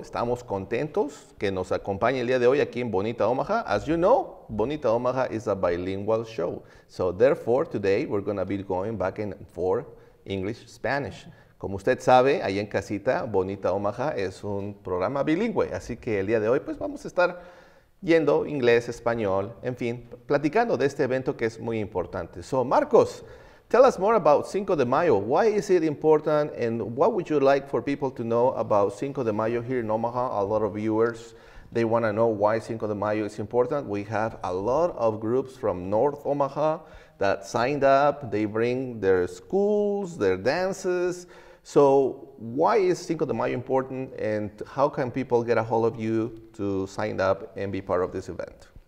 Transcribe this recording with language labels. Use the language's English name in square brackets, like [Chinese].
[Spanish] Estamos contentos que nos acompañe el día de hoy aquí en Bonita Omaha. [English] As you know, Bonita Omaha is a bilingual show. So therefore, today we're going to be going back and forth English-Spanish. [Spanish] Como usted sabe, ahí en casita, Bonita Omaha es un programa bilingüe. Así que el día de hoy, pues vamos a estar yendo inglés-español, en fin, platicando de este evento que es muy importante. [English] So, Marcos, tell us more about Cinco de Mayo. Why is it important, and what would you like for people to know about Cinco de Mayo here in Omaha? A lot of viewers, they want to know why Cinco de Mayo is important. We have a lot of groups from North Omaha that signed up. They bring their schools, their dances. So why is Cinco de Mayo important, and how can people get a hold of you to sign up and be part of this event?